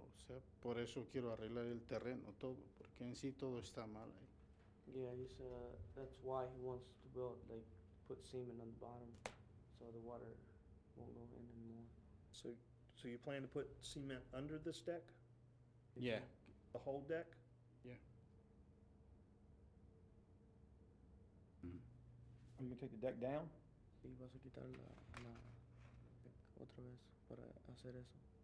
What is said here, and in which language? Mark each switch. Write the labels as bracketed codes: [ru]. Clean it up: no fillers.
[es] O sea, por eso quiero arreglar el terreno todo, porque en sí todo está mal ahí. [en] Yeah, he said that's why he wants to build, like, put cement on the bottom so the water won't go in anymore. So you plan to put cement under this deck? Yeah. The whole deck? Yeah. Are you going to take the deck down? [es] Sí, vas a quitar la otra vez para hacer eso.